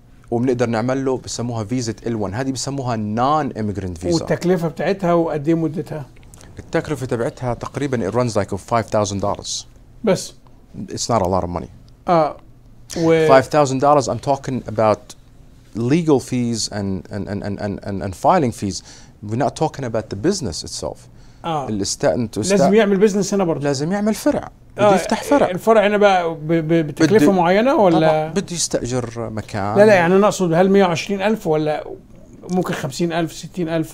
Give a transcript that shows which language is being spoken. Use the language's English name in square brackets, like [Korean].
[Arabic] وبنقدر نعمل له بسموها فيزة L1، هذه بسموها non-immigrant visa. والتكلفة بتاعتها وقد ايه مدتها؟ التكلفة تبعتها تقريبا [English] it runs like $5,000 [Arabic] بس. [English] It's not a lot of money. $5,000 I'm talking about legal fees and filing fees. We're not talking about the business itself. [Arabic] لازم يعمل بزنس هنا برضه، لازم يعمل فرع، بدي يفتح فرع. الفرع هنا بقى بتكلفه معينه ولا بدي يستاجر مكان؟ لا لا يعني انا اقصد هل 120 الف ولا ممكن 50 الف 60 الف؟